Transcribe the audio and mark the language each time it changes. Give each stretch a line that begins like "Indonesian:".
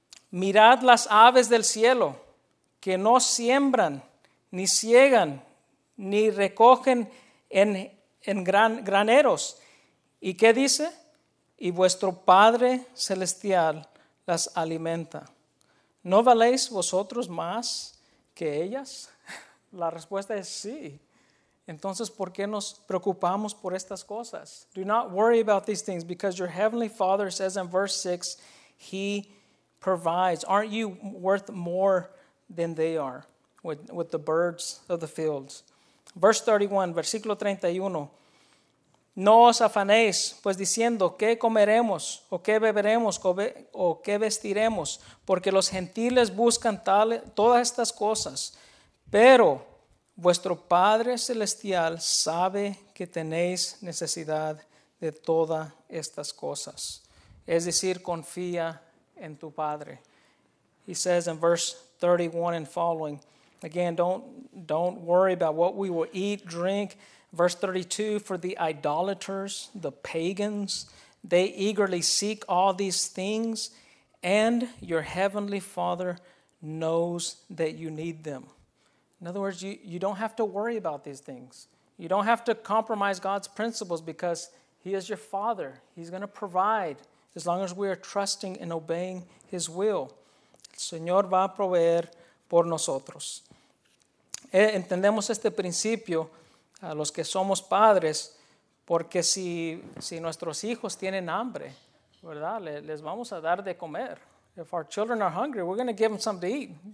Spanish: Mirad las aves del cielo, que no siembran, ni siegan, ni recogen en graneros. ¿Y qué dice? Y vuestro Padre Celestial las alimenta. ¿No valéis vosotros más que ellas? La respuesta es sí. Entonces, ¿por qué nos preocupamos por estas cosas?
English: Do not worry about these things, because your heavenly Father says in verse 6, He provides. Aren't you worth more than they are with the birds of the fields?
Spanish: Verse 31, versículo 31. No os afanéis, pues diciendo, ¿qué comeremos? ¿O qué beberemos? ¿O qué vestiremos? Porque los gentiles buscan todas estas cosas. Pero vuestro Padre Celestial sabe que tenéis necesidad de todas estas cosas. Es decir, confía en tu Padre.
English: He says in verse 31 and following, again, don't worry about what we will eat, drink. Verse 32, for the idolaters, the pagans, they eagerly seek all these things, and your heavenly Father knows that you need them. In other words, you don't have to worry about these things. You don't have to compromise God's principles, because He is your Father. He's going to provide as long as we are trusting and obeying His will.
Spanish: El Señor va a proveer por nosotros. Entendemos este principio a los que somos padres, porque si nuestros hijos tienen hambre, ¿verdad? Les vamos a dar de comer.
English: If our children are hungry, we're going to give them something to eat.